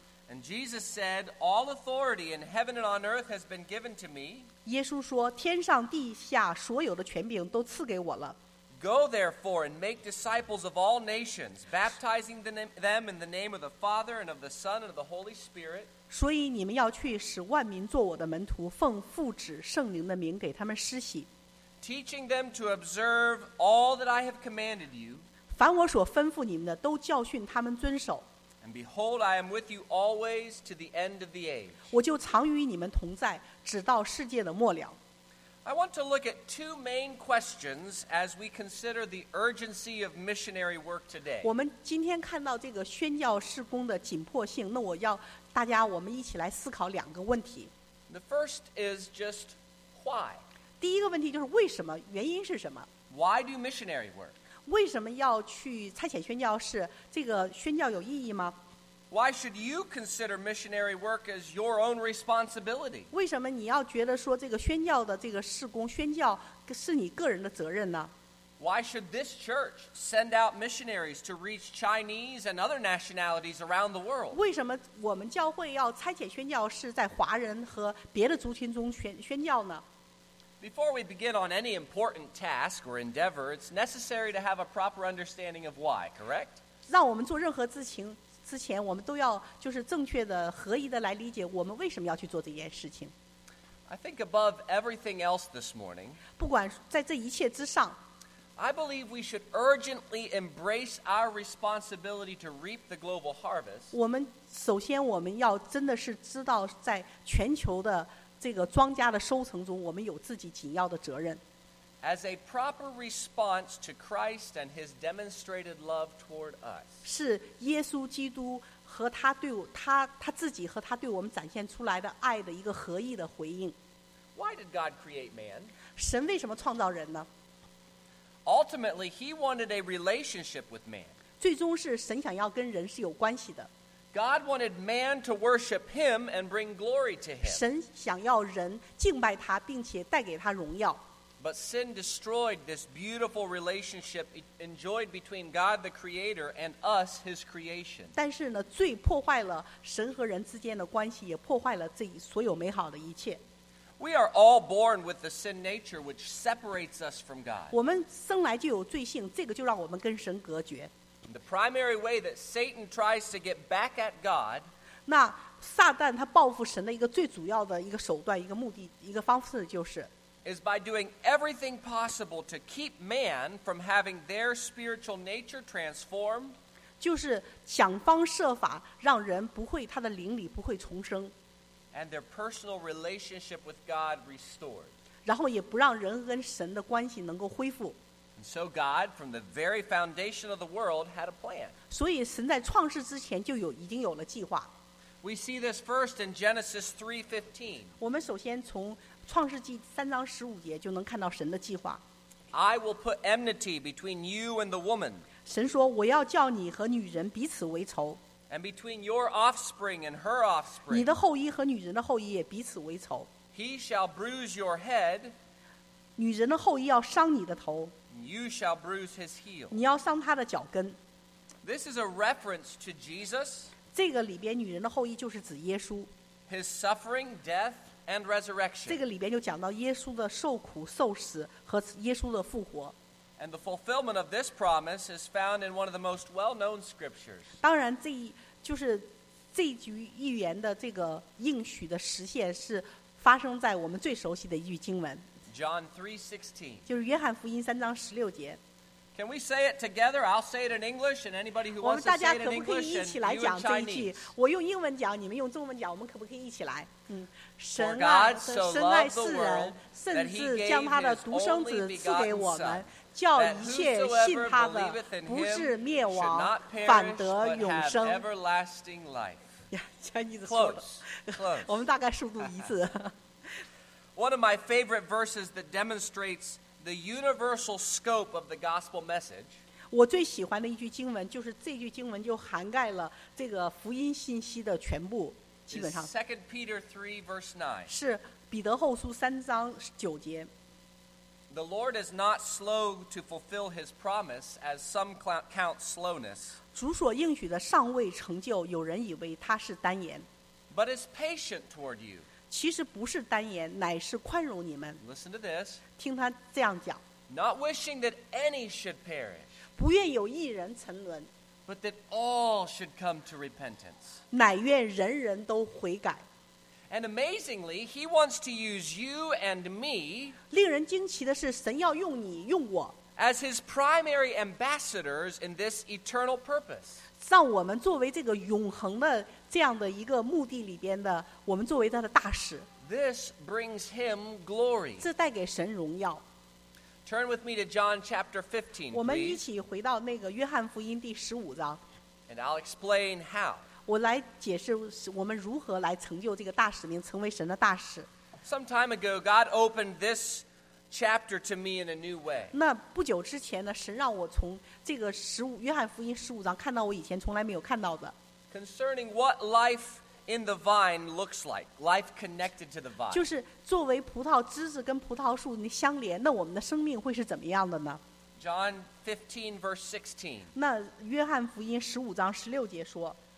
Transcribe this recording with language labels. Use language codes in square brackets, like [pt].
[en] And Jesus said, "All authority in heaven and on earth has been given to me." [zh] 耶稣说，天上地下所有的权柄都赐给我了。 [en] Go therefore and make disciples of all nations, baptizing them in the name of the Father and of the Son and of the Holy Spirit. [zh] 所以你们要去使万民做我的门徒，奉父子圣灵的名给他们施洗。 [en] Teaching them to observe all that I have commanded you. [zh] 凡我所吩咐你们的，都教训他们遵守。 [en] And behold, I am with you always to the end of the age. [zh] 我就常与你们同在，直到世界的末了。 [en] I want to look at two main questions as we consider the urgency of missionary work today. [zh] 我们今天看到这个宣教事工的紧迫性，那我要大家我们一起来思考两个问题。 [en] The first is just why. [zh] 第一个问题就是为什么，原因是什么？ [en] Why do missionary work? [zh] 为什么要去差遣宣教士？这个宣教有意义吗 [en] ？Why should you consider missionary work as your own responsibility？ [zh] 为什么你要觉得说这个宣教的这个事工宣教是你个人的责任呢 [en] ？Why should this church send out missionaries to reach Chinese and other nationalities around the world？ [zh] 为什么我们教会要差遣宣教士在华人和别的族群中宣教呢？ [en] Before we begin on any important task or endeavor, it's necessary to have a proper understanding of why, correct? [zh] 让我们做任何事情之前，我们都要就是正确的、合一的来理解我们为什么要去做这件事情。 [en] I think above everything else this morning, [zh] 不管在这一切之上， [en] I believe we should urgently embrace our responsibility to reap the global harvest. [zh] 我们首先我们要真的是知道在全球的这个庄稼的收成中，我们有自己紧要的责任。 [en] As a proper response to Christ and His demonstrated love toward us， [zh] 是耶稣基督和他对他自己和他对我们展现出来的爱的一个合一的回应。 [en] Why did God create man？ [zh] 神为什么创造人呢 [en] ？Ultimately, He wanted a relationship with man。 [zh] 最终是神想要跟人是有关系的。 [en] God wanted man to worship him and bring glory to him. [zh] 神想要人敬拜他并且带给他荣耀。 [en] But sin destroyed this beautiful relationship enjoyed between God the creator and us his creation. [zh] 但是呢罪破坏了神和人之间的关系也破坏了这所有美好的一切。 [en] We are all born with the sin nature which separates us from God. [zh] 我们生来就有罪性这个就让我们跟神隔绝。 [en] The primary way that Satan tries to get back at God, [zh] 那撒旦他报复神的一个最主要的一个手段、一个目的、一个方式就是 [en] is by doing everything possible to keep man from having their spiritual nature transformed, [zh] 就是想方设法让人不会他的灵里不会重生。 [en] And their personal relationship with God restored. [zh] 然后也不让人跟神的关系能够恢复。 [en] And so God, from the very foundation of the world, had a plan. [zh] 所以神在创世之前就有已经有了计划。 [en] We see this first in Genesis 3:15. [zh] 我们首先从创世纪三章十五节就能看到神的计划。 [en] I will put enmity between you and the woman. [zh] 神说我要叫你和女人彼此为仇。 [en] And between your offspring and her offspring. [zh] 你的后裔和女人的后裔也彼此为仇。 [en] He shall bruise your head. [zh] 女人的后裔要伤你的头。 [en] You shall bruise his heel. [zh] 你要伤他的脚跟。 [en] This is a reference to Jesus. [zh] 这个里边女人的后裔就是指耶稣。 [en] His suffering, death, and resurrection. [zh] 这个里边就讲到耶稣的受苦、受死和耶稣的复活。 [en] And the fulfillment of this promise is found in one of the most well-known scriptures. [zh] 当然这就是这句预言的这个应许的实现是发生在我们最熟悉的一句经文。 [en] John 3:16. [zh] 就是约翰福音三章十六节。 [en] Can we say it together? I'll say it in English and anybody who wants to say it in English and you in Chinese. [zh] 我用英文讲，你们用中文讲，我们可不可以一起来？神啊，神爱世人，甚至将他的独生子赐给我们。叫一切信他的不至灭亡，反得永生。呀，像你说的，我们大概速度一致。 [en] One of my favorite verses that demonstrates the universal scope of the gospel message. [zh] 我最喜欢的一句经文就是这句经文就涵盖了这个福音信息的全部，基本上。 [en] Second Peter 3:9. [zh] 是彼得后书三章九节。 [en] The Lord is not slow to fulfill His promise, as some count slowness. [zh] 主所应许的尚未成就，有人以为他是单言。 [en] But is patient toward you. [zh] 其实不是单言，乃是宽容你们。 [en] Listen to this. [zh] 听他这样讲。 [en] Not wishing that any should perish. [zh] 不愿有一人沉沦。 [en] But that all should come to repentance. [zh] 乃愿人人都悔改。 [en] And amazingly, he wants to use you and me. [zh] 令人惊奇的是，神要用你，用我。 [en] As his primary ambassadors in this eternal purpose. [zh] 让我们作为这个永恒的这样的一个目的里边的，我们作为他的大使。 [en] This brings him glory. [zh] 这带给神荣耀。 [en] Turn with me to John chapter 15, please. [zh] 我们一起回到那个约翰福音第十五章。 [en] And I'll explain how. [zh] 我来解释我们如何来成就这个大使命，成为神的大使。 [en] Some time ago, God opened this chapter to me in a new way. [zh] 那不久之前呢，神让我从这个十五约翰福音十五章看到我以前从来没有看到的。 [en] Concerning what life in the vine looks like, life connected to the vine. [zh] 就是作为葡萄枝子跟葡萄树相连，那我们的生命会是怎么样的呢 [en] ？John 15:16. [zh] 那约翰福音十五章十六节说。